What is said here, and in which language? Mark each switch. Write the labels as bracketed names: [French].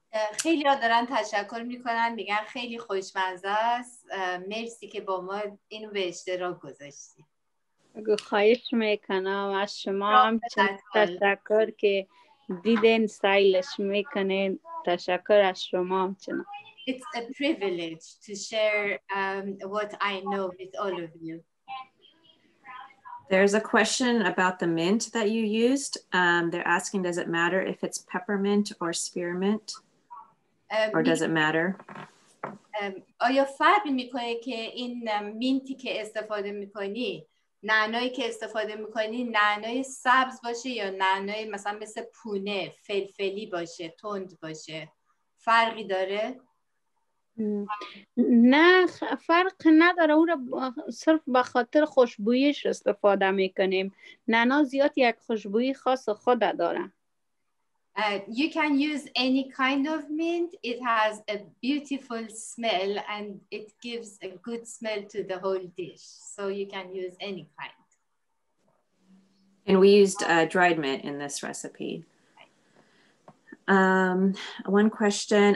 [Persian] خیلی ها دارن تشکر میکنن میگن خیلی خوشمزه است مرسی که با ما این به اشتراک گذاشتی خواهش میکنم از شما هم تشکر که دیدن سایلش میکنین تشکر از شما هم چنان [English] It's a privilege to share what I know with all of you There's a question about the mint that you used they're asking does it matter if it's peppermint or spearmint or does it matter? [Persian] آیا فرق میکنه که این مینتی که استفاده میکنی نعنایی که استفاده میکنی نعنای سبز باشه یا نعنای مثلا مثل پونه فلفلی باشه تند باشه فرقی داره؟ نه فرق نداره او را صرف به خاطر خوشبویش استفاده میکنیم نعنا زیاد یک خوشبوی خاص خود داره [English] You can use any kind of mint. It has a beautiful smell and it gives a good smell to the whole dish. So you can use any kind. And we used dried mint in this recipe. One question.